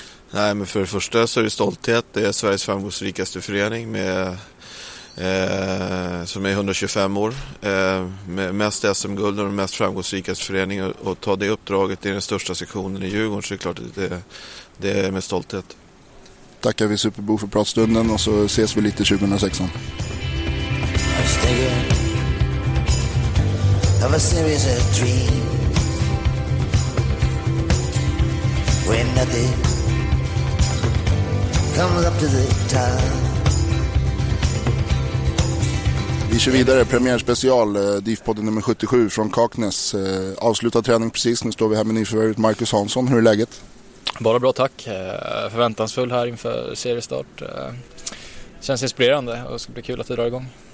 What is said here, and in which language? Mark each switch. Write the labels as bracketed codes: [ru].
[sv] Nej, men för det första så är det stolthet. Det är Sveriges framgångsrikaste förening med som är 125 år. Med mest SM-guld och den mest framgångsrikaste föreningen. Och ta det uppdraget i den största sektionen i Djurgården, så är det klart att det är med stolthet. Tackar vi Superbo för pratstunden och så ses vi lite 2016. [en] Of a series of dreams when nothing comes up to the top. [sv] Vi kör vidare, premiärspecial DIF-podden nummer 77 från Kaknäs. Avslutad träning precis, nu står vi här med nyförvärvet Marcus Hansson. Hur är läget? Bara bra, tack. Förväntansfull här inför seriestart. Känns inspirerande och ska bli kul att vi drar igång.